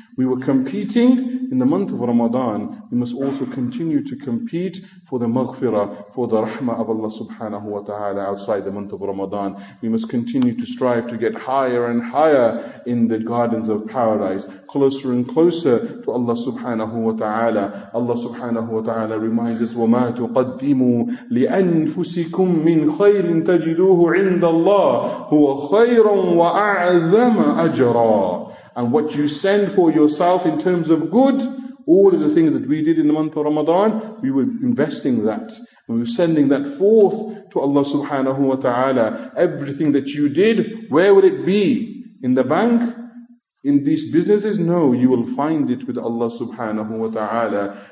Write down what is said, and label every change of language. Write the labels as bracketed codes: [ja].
[en] We were competing in the month of Ramadan. We must also continue to compete for the maghfirah, for the rahmah of Allah subhanahu wa ta'ala outside the month of Ramadan. We must continue to strive to get higher and higher in the gardens of paradise, closer and closer to Allah subhanahu wa ta'ala. [ar] Allah subhanahu wa ta'ala reminds us, وَمَا تُقَدِّمُوا لِأَنفُسِكُم مِّنْ خَيْرٍ تَجِدُوهُ عِنْدَ اللَّهِ هُوَ خَيْرٌ وَأَعْذَمَ أَجْرًا. [en] And what you send for yourself in terms of good, all of the things that we did in the month of Ramadan, we were investing that. We were sending that forth to Allah subhanahu wa ta'ala. Everything that you did, where would it be? In the bank? In these businesses? No, you will find it with Allah subhanahu wa ta'ala.